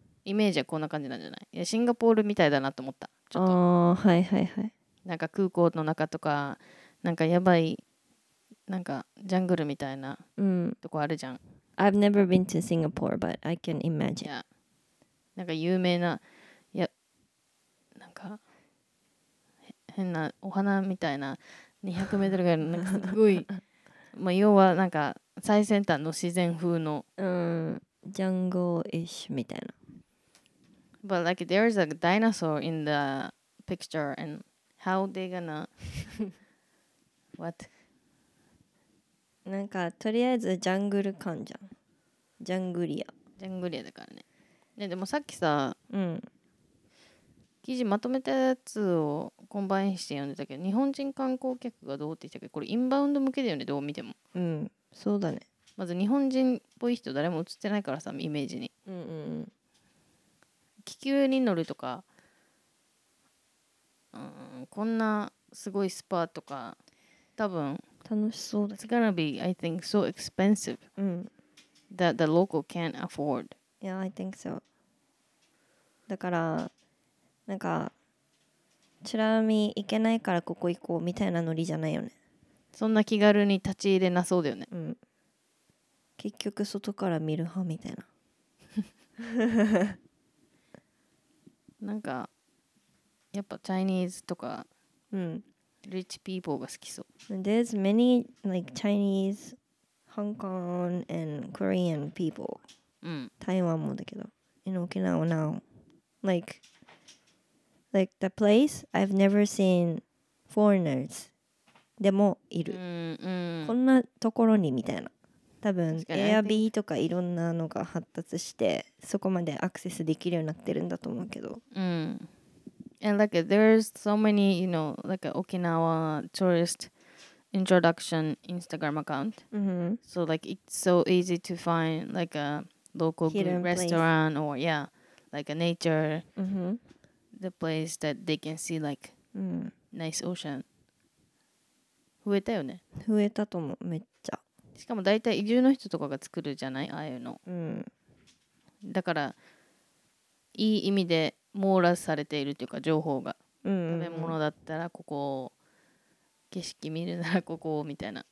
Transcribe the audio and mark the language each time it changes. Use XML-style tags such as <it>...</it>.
<ja>イメージはこんな感じなんじゃない？いや、シンガポールみたいだなと思った。ああ、はいはいはい。なんか空港の中とか、なんかやばい、なんかジャングルみたいなとこあるじゃん。 Mm.</ja> <en>I've never been to Singapore, but I can imagine. Yeah.</en> <ja>なんか有名な、いや、なんか変なお花みたいな200メートルぐらいのなんかすごい、まあ要はなんか最先端の自然風の、ジャングルイッシュみたいな。</ja> <en>But like there is a dinosaur in the picture and how they gonna what?</en> <ja>なんかとりあえずジャングル感じゃん。ジャングリア。ジャングリアだからね。ねでもさっきさ、うん。記事まとめたやつをコンバインして読んでたけど、日本人観光客がどうって言ったけど、これインバウンド向けだよね、どう見ても。うん、そうだね。まず日本人っぽい人誰も映ってないからさ、イメージに。うんうんうん。気球に乗るとか、こんなすごいスパとか、多分楽しそうだ。</ja> <en>It's gonna be, I think, so expensive、うん、 that the local can't afford. Yeah, I think so.</en> <ja>だから、なんか、チラ見行けないからここ行こうみたいなノリじゃないよね。そんな気軽に立ち入れなそうだよね。うん、結局外から見る派みたいな。なんかやっぱチャイニーズとか、うん、リッチピーポーが好きそう。</ja> <en>There's many like Chinese, Hong Kong and Korean people. うん。</en> <ja>台湾もだけど。</ja> <en>In Okinawa now. Like the place I've never seen foreigners.</en> <ja>でもいる。うんうん。こんなところにみたいな。多分 Airbnb とかいろんなのが発達してそこまでアクセスできるようになってるんだと思うけど。うん。</ja> <en>And like there's so many, you know, like Okinawa tourist introduction Instagram account. Mm-hmm. So like it's so easy to find like a local hidden restaurant place. Or yeah, like a nature, mm-hmm. the place that they can see like nice ocean.</en> <ja>増えたよね。増えたと思う。めっちゃ。しかも大体移住の人とかが作るじゃない、ああいうの、うん、だからいい意味で網羅されているというか情報が、うんうんうん、食べ物だったらここを、景色見るならここをみたいな、</ja>